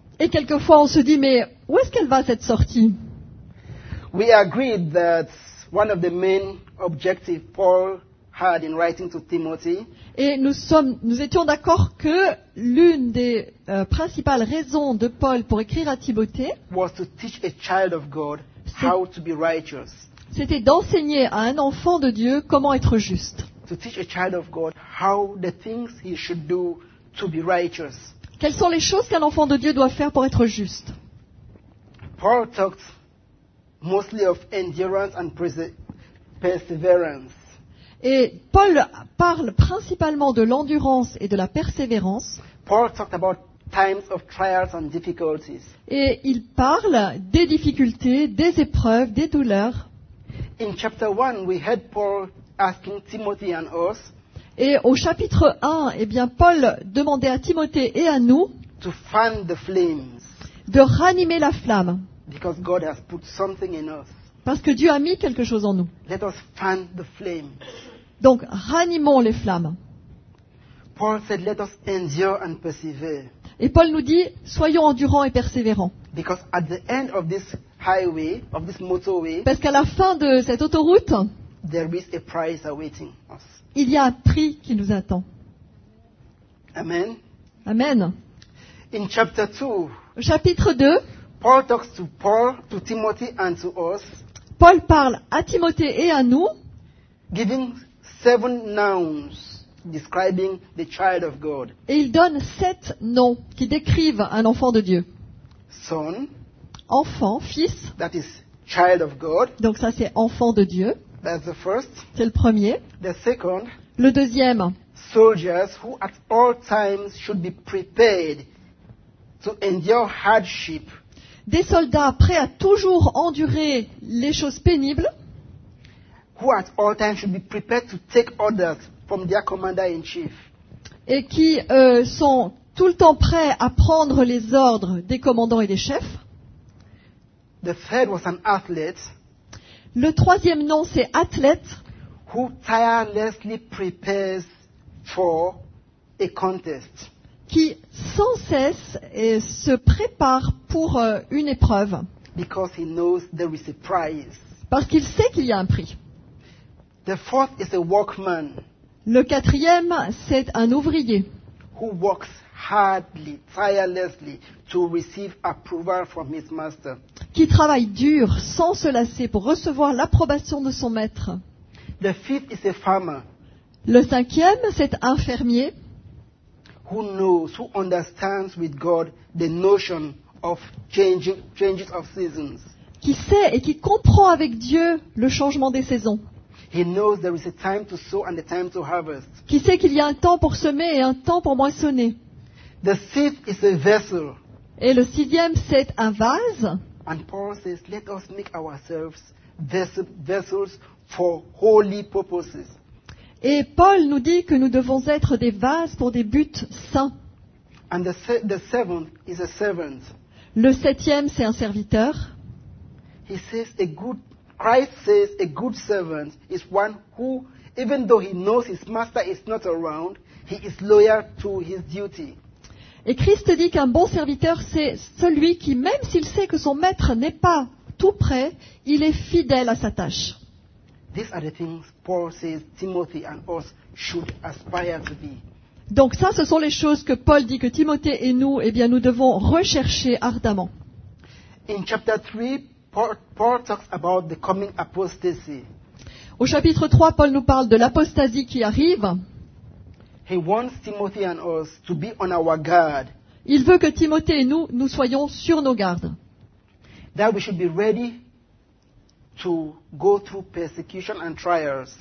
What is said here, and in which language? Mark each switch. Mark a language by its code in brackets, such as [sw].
[fr] Et quelquefois on se dit, mais où est-ce qu'elle va cette sortie? [en] We agreed that one of the main objectives Paul had in writing to Timothy. [fr] Et nous étions d'accord que l'une des principales raisons de Paul pour écrire à Timothée [en] was to teach a child of God how to be righteous. [fr] C'était d'enseigner à un enfant de Dieu comment être juste. [en] To teach a child of God how the things he should do to be righteous. [fr] Quelles sont les choses qu'un enfant de Dieu doit faire pour être juste? [en] Paul talked mostly of endurance and perseverance. [fr] Et Paul parle principalement de l'endurance et de la persévérance. [en] Paul talked about times of trials and difficulties. [fr] Et il parle des difficultés, des épreuves, des douleurs. [en] In chapter 1, we heard Paul asking Timothy and us. [fr] Et au chapitre 1, eh bien Paul demandait à Timothée et à nous [en] to fan the flames. [fr] De ranimer la flamme. [en] Because God has put something in us. [fr] Parce que Dieu a mis quelque chose en nous. [en] Let us fan the flame. [fr] Donc, ranimons les flammes. [en] Paul said, let us endure and persevere. [fr] Et Paul nous dit, soyons endurants et persévérants. [en] Because at the end of this highway, of this motorway, [fr] parce qu'à la fin de cette autoroute, [en] there is a prize awaiting us. [fr] Il y a un prix qui nous attend. Amen. Amen. [en] In chapter 2, [fr] chapitre 2, [en] Paul talks to Paul, to Timothy and to us. [fr] Paul parle à Timothée et à nous, [en] giving seven nouns describing the child of God. [fr] Et il donne sept noms qui décrivent un enfant de Dieu. [en] Son, [fr] enfant, fils. [en] That is child of God. [fr] Donc ça c'est enfant de Dieu. [en] That's the first. [fr] C'est le premier. [en] The second. [fr] Le deuxième. [en] Soldiers who at all times should be prepared to endure hardship. [fr] Des soldats prêts à toujours endurer les choses pénibles. [en] Who at all times should be prepared to take orders from their commander in chief. [fr] Et qui sont tout le temps prêts à prendre les ordres des commandants et des chefs. [en] The third was an athlete. [fr] Le troisième nom, c'est athlète. [en] Who tirelessly prepares for a contest. [fr] Qui sans cesse se prépare pour une épreuve. [en] Because he knows there is a prize. [fr] Parce qu'il sait qu'il y a un prix. [en] The fourth is a workman. [fr] Le quatrième, c'est un ouvrier. [en] Who works hardly, tirelessly, to receive approval from his master. [fr] Qui travaille dur, sans se lasser, pour recevoir l'approbation de son maître. [en] The fifth is a farmer. [fr] Le cinquième, c'est un fermier. [en] Who knows, who understands with God the notion of changes of seasons. [fr] Qui sait et qui comprend avec Dieu le changement des saisons. [en] He knows there is a time to sow and a time to harvest. [fr] Qui sait qu'il y a un temps pour semer et un temps pour moissonner. [en] The sixth is a vessel. [fr] Et le sixième, c'est un vase. [en] And Paul says, let us make ourselves vessels for holy purposes. [fr] Et Paul nous dit que nous devons être des vases pour des buts saints. [en] And the seventh is a servant. [fr] Le septième, c'est un serviteur. [en] He says a good, Christ says a good servant is one who, even though he knows his master is not around, he is loyal to his duty. [fr] Et Christ dit qu'un bon serviteur, c'est celui qui, même s'il sait que son maître n'est pas tout prêt, il est fidèle à sa tâche. [en] These are the things Paul says Timothy and us should aspire to be. [fr] Donc ça, ce sont les choses que Paul dit que Timothée et nous, eh bien, nous devons rechercher ardemment. [en] In chapter 3, Paul talks about the coming apostasy. [fr] Au chapitre 3, Paul nous parle de l'apostasie qui arrive. [en] He wants Timothy and us to be on our guard. [fr] Il veut que Timothée et nous, nous soyons sur nos gardes. [en] That we should be ready to go through persecution and trials.